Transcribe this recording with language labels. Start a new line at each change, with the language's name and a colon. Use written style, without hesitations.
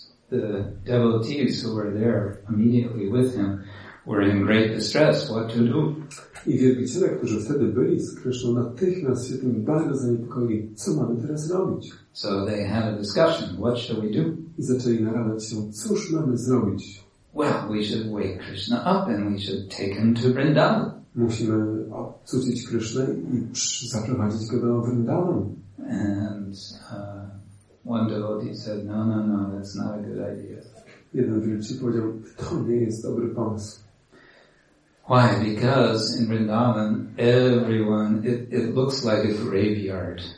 English: The devotees who were there immediately with him were in great distress. What to do?
Polish: I wielbiciele, którzy wtedy byli z Krishną, natychmiast się tym bardzo zaniepokoili. Co mamy teraz robić?
English: So they had a discussion. What shall we do?
Polish: I zaczęli naradzać się. Cóż mamy zrobić?
English: Well, we should wake Krishna up and we should take him to Vrindavan.
Polish: Musimy obudzić Krishnę i zaprowadzić go do Vrindavan.
English: And one devotee said, no, no, no, that's not a good idea.
Polish: Jeden wielcy powiedział, to nie jest dobry pomysł.
English: Why? Because in Vrindavan, everyone, it looks like a graveyard.